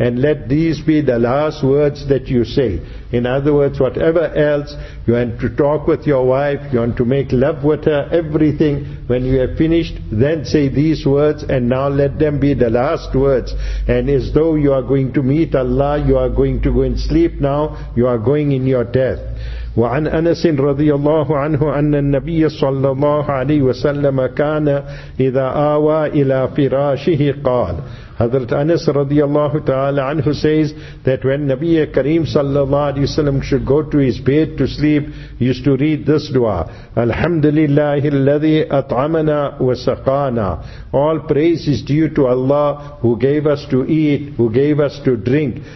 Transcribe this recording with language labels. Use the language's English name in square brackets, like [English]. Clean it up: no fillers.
[English] And let these be the last words that you say. In other words, whatever else, you want to talk with your wife, you want to make love with her, everything. When you have finished, then say these words, and now let them be the last words. And as though you are going to meet Allah, you are going to go and sleep now, you are going in your death. [Arabic] وعن أنس رضي الله عنه أن النبي صلى الله عليه وسلم كان إذا آوى إلى فراشه قال. [English] Hazrat Anas radiyallahu ta'ala anhu says that when Nabi Kareem sallallahu alayhi wa sallam should go to his bed to sleep, he used to read this dua. [Arabic] Alhamdulillahi alladhi at'amana wa saqana. [English] All praise is due to Allah who gave us to eat, who gave us to drink.